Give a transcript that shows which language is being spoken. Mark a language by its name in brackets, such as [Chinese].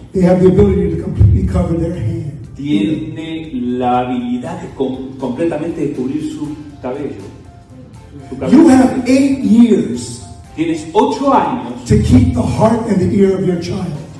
[English] they have the ability to completely cover their hand. [Spanish] Tiene la habilidad de completamente de cubrir su cabello. [English] You have 8 years. [Spanish] Tienes 8 años [English] to keep the heart and the ear of your child.